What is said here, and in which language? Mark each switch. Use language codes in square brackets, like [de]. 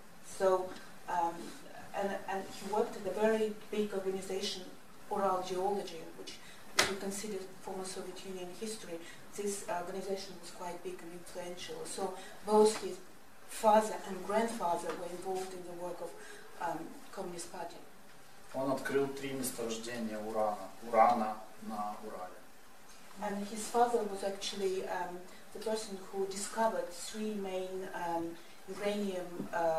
[en] So and he worked at a very big organization, Oral Geology, which if you consider former Soviet Union history, this organization was quite big and influential. So both his father and grandfather were involved in the work of Communist Party. [ru] Он открыл три месторождения урана на Урале. [en] And his father was actually the person who discovered three main uranium